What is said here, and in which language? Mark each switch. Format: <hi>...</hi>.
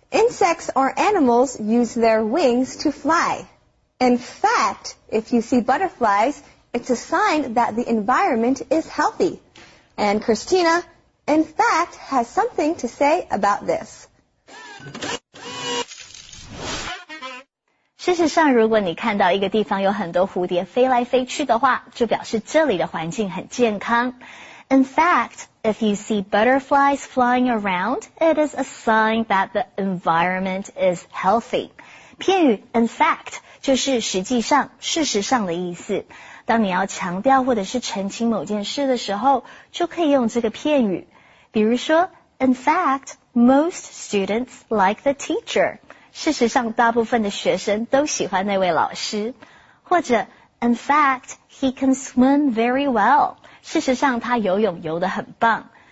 <en>Insects or animals use their wings to fly. In fact, if you see butterflies, it's a sign that the environment is healthy. And Christina, in fact, has something to say about this.</en> <zh>事实上，如果你看到一个地方有很多蝴蝶飞来飞去的话，就表示这里的环境很健康。</zh> <en>In fact, if you see butterflies flying around, it is a sign that the environment is healthy.</en> <zh>片语 in fact 就是实际上、事实上的意思。当你要强调或者是澄清某件事的时候，就可以用这个片语。比如说</zh> <en>，In fact, most students like the teacher.</en> <zh>事实上，大部分的学生都喜欢那位老师。或者</zh> <en>，In fact, he can swim very well.</en> <zh>事实上，他游泳游得很棒。</zh>